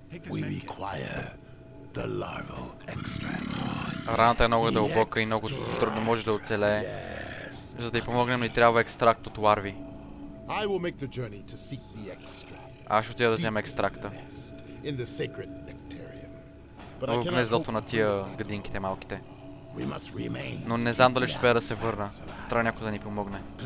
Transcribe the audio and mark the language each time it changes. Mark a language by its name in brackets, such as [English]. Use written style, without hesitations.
[English] We require the larval extract. [Bulgarian] Раната е много дълбока и много трудно може да оцелее. За да й помогнем, ни трябва екстракт от ларви. [English] I will make the journey to seek the extract. [Bulgarian] Аз ще отида да взема екстракта. [English] In the sacred nectarium. But I cannot [Bulgarian] на тия гадинките малките. [English] We must remain. [Bulgarian] Но не знам дали ще успея да се върна. Трябва някой да ни помогне.